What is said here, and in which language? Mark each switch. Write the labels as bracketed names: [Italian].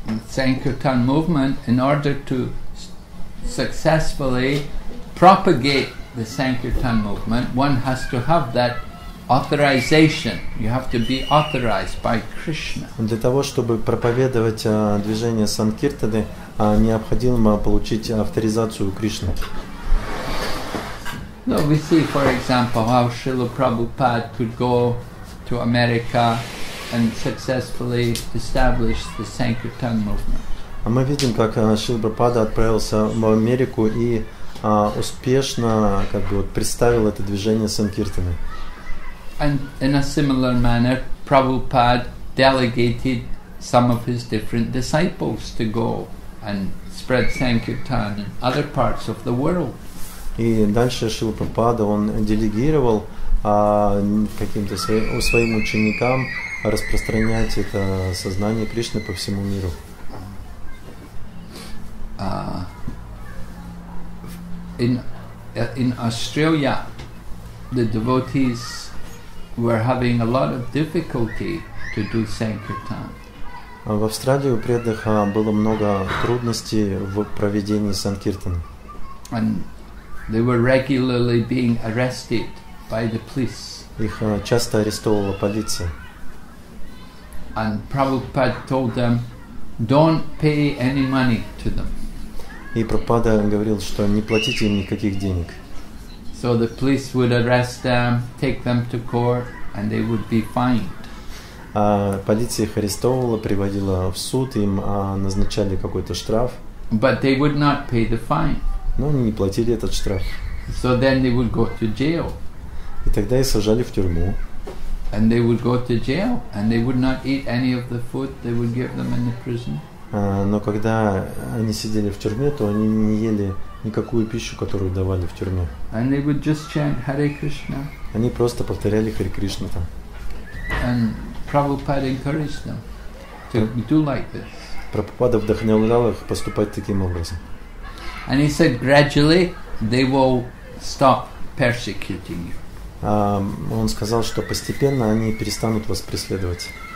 [English] Sankirtan movement, in order to successfully propagate the Sankirtan movement, one has to have that authorization. You have to be authorized by Krishna. [Russian] Для того, чтобы проповедовать движение Санкиртаны, необходимо получить авторизацию Кришны. [English] So we see, for example, how Srila Prabhupada could go to America and successfully establish the Sankirtan movement. [Russian] Мы видим, как Шрила Прабхупада отправился в Америку и успешно представил это движение Санкиртаны. [English] And in a similar manner, Prabhupada delegated some of his different disciples to go and spread Sankirtan in other parts of the world. [Russian] И дальше Шрила Прабхупада, он делегировал каким-то своим ученикам распространять это сознание Кришны по всему миру. [English] In Australia, the devotees were having a lot of difficulty to do Sankirtan. [Russian] В Австралии у преданных было много трудностей в проведении Санкиртана. [English] And they were regularly being arrested by the police. [Russian] Их часто арестовывала полиция. [English] And Prabhupada told them, don't pay any money to them. [Russian] И Прабхупада говорил, что не платите им никаких денег. [English] So the police would arrest them, take them to court, and they would be fined. [Russian] Полиция их арестовывала, приводила в суд, им назначали какой-то штраф. [English] But they would not pay the fine. [Russian] Но они не платили этот штраф. [English] So then they would go to jail. [Russian] И тогда их сажали в тюрьму. [English] And they would go to jail, and they would not eat any of the food they would give them in the prison. [Russian] Но когда они сидели в тюрьме, то они не ели никакую пищу, которую давали в тюрьме. [English] And they would just chant Hare Krishna. [Russian] Они просто повторяли Харе Кришна там. [English] And Prabhupada encouraged them to do like this. [Russian] Прабхупада вдохновлял их поступать таким образом. [English] And he said, gradually they will stop persecuting you. [Russian] Он сказал, что постепенно они перестанут вас преследовать.